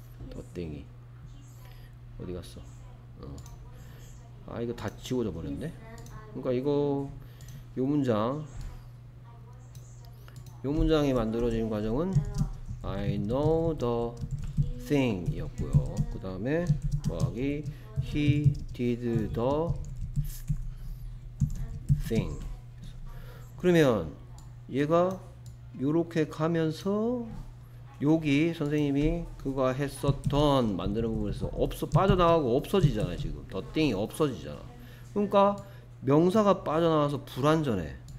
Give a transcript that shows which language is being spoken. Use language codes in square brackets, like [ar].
[ko] the thing이 어디 갔어? 아 이거 다 지워져 버렸네. 그러니까 이거 요 문장 이 문장이 만들어진 과정은 [en] I know the thing [ko] 이었고요. 그 다음에 더하기 [en] he did the thing. [ko] 그러면 얘가 요렇게 가면서 여기 선생님이 그가 했었던 만드는 부분에서 없어 빠져나가고 없어지잖아요. 지금 the thing이 없어지잖아. 그러니까 명사가 빠져나와서 불완전해.